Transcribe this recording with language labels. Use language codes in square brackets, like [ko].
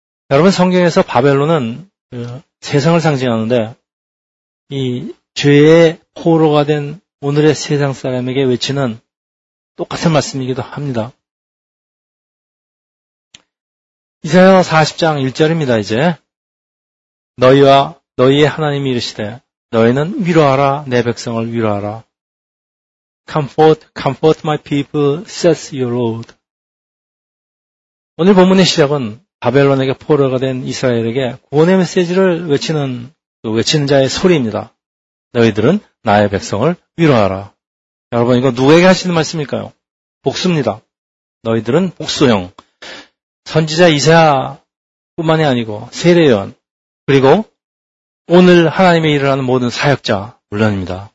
[ko] 여러분, 성경에서 바벨론은 세상을 상징하는데 이 죄의 포로가 된 오늘의 세상 사람에게 외치는 똑같은 말씀이기도 합니다. 이사야 40장 1절입니다. 이제 너희와 너희의 하나님이 이르시되 너희는 위로하라 내 백성을 위로하라. [en] Comfort, comfort my people, says your Lord. [ko] 오늘 본문의 시작은 바벨론에게 포로가 된 이스라엘에게 구원의 메시지를 외치는 외치는 자의 소리입니다. 너희들은 나의 백성을 위로하라. 여러분, 이거 누구에게 하시는 말씀일까요? 복수입니다. 너희들은 복수형. 선지자 이사뿐만이 아니고 세례요한 그리고 오늘 하나님의 일을 하는 모든 사역자 물론입니다.